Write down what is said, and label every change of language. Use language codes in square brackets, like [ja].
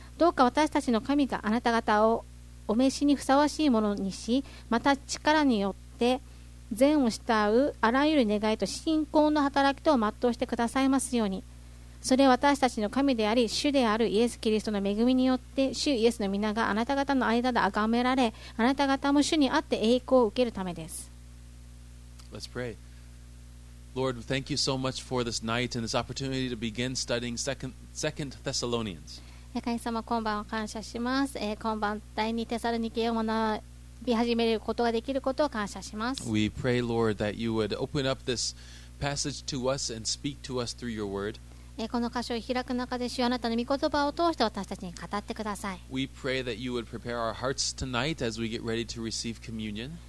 [ja] どうか私たちの神があなた方をお召しにふさわしいものにし、また力によって善を慕うあらゆる願いと信仰の働きとを全うしてくださいますように。それは私たちの神であり主であるイエス・キリストの恵みによって、主イエスの皆があなた方の間で崇められ、あなた方も主にあって栄光を受けるためです。 [en] Let's pray. Lord, thank you so much for this night and this opportunity to begin studying Second Thessalonians. [ja] 神様、今晩は感謝します。今晩、第二テサロニケ書を学び始めることができることを感謝します。 [en] We pray, Lord, that you would open up this passage to us and speak to us through your word. [ja] この箇所を開く中で、主あなたの御言葉を通して私たちに語ってください。 [en] We pray that you would prepare our hearts tonight as we get ready to receive communion.